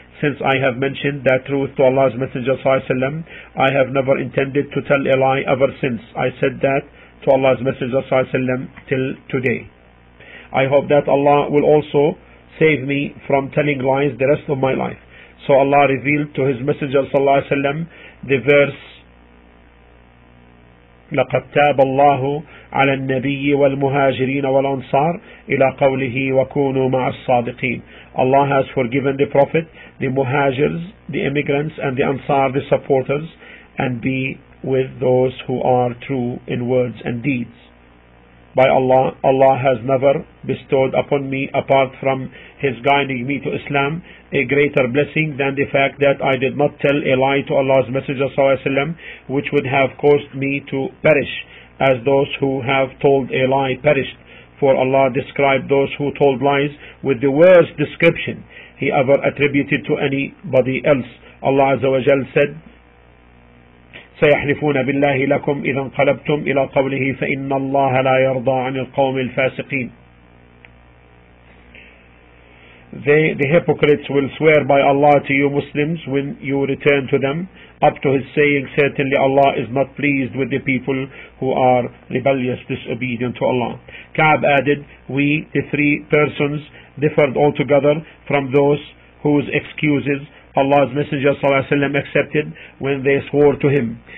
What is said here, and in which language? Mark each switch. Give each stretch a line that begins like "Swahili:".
English: Since I have mentioned that truth to Allah's Messenger, I have never intended to tell a lie ever since I said that to Allah's Messenger sallallahu alaihi wasallam till today. I hope that Allah will also save me from telling lies the rest of my life. So Allah revealed to His Messenger sallallahu alaihi wasallam the verse,
Arabic: لَقَدْ تَابَ اللَّهُ عَلَى النَّبِيِّ وَالْمُهَاجِرِينَ وَالْأَنصَارِ إِلَى قَوْلِهِ وَكُونُوا مَعَ الصَّادِقِينَ.
English: Allah has forgiven the Prophet, the Muhajirs, the immigrants, and the Ansar, the supporters, and be with those who are true in words and deeds. By Allah, Allah has never bestowed upon me, apart from His guiding me to Islam, a greater blessing than the fact that I did not tell a lie to Allah's Messenger sallallahu alaihi wasallam, which would have caused me to perish, as those who have told a lie perished. For Allah described those who told lies with the worst description He ever attributed to anybody else. Allah Azza wa Jal said,
Arabic: سيحلفون بالله لكم إذا انقلبتم إلى قوله فإن الله لا يرضى عن القوم الفاسقين.
English: The hypocrites will swear by Allah to you Muslims when you return to them up to his saying, certainly Allah is not pleased with the people who are rebellious, disobedient to Allah. Ka'b added, we, the three persons, differed altogether from those whose excuses Allah's Messenger ﷺ accepted when they swore to him.